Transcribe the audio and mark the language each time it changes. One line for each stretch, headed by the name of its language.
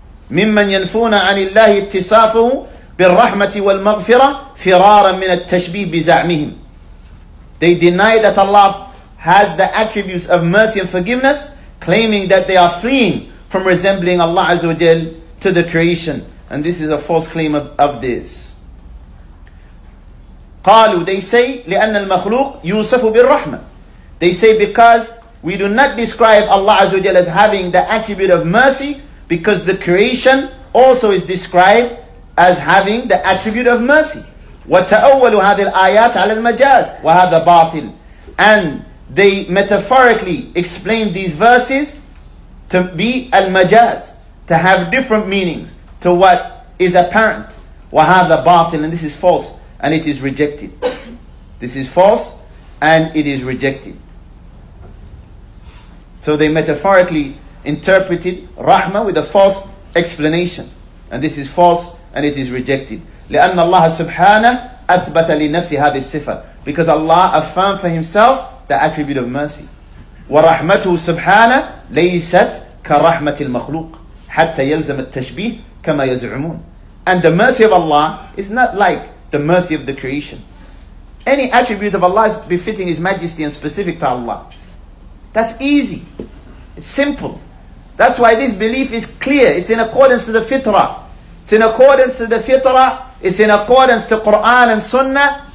Arabic: مِمَّنْ يَنْفُونَ عَنِ اللَّهِ اتِّصَافَهُ بِالرَّحْمَةِ وَالْمَغْفِرَةِ فِرَارًا مِنَ التَّشْبِيهِ بِزَعْمِهِمْ.
English: They deny that Allah has the attributes of mercy and forgiveness, claiming that they are fleeing from resembling Allah Azza wa Jal to the creation. And this is a false claim of this.
Arabic: قالوا,
English: they say,
Arabic: لأن المخلوق يوصف بالرحمة.
English: They say because we do not describe Allah Azza wa Jalla as having the attribute of mercy, because the creation also is described as having the attribute of mercy.
Arabic: وتأولوا هذه الآيات على المجاز وهذا باطل.
English: And they metaphorically explain these verses to be al-majaz, to have different meanings to what is apparent.
Arabic: وهذا باطل.
English: And this is false and it is rejected. This is false and it is rejected. So they metaphorically interpreted rahma with a false explanation. And this is false and it is rejected.
Arabic: لأن الله سبحانه أثبت لنفسه هذه الصفة.
English: Because Allah affirmed for Himself the attribute of mercy.
Arabic: ورحمته سبحانه ليست كرحمة المخلوق حتى يلزم التشبيه كما يزعمون.
English: And the mercy of Allah is not like the mercy of the creation. Any attribute of Allah is befitting His majesty and specific to Allah. That's easy. It's simple. That's why this belief is clear. It's in accordance to the fitrah. It's in accordance to the fitrah. It's in accordance to Quran and Sunnah.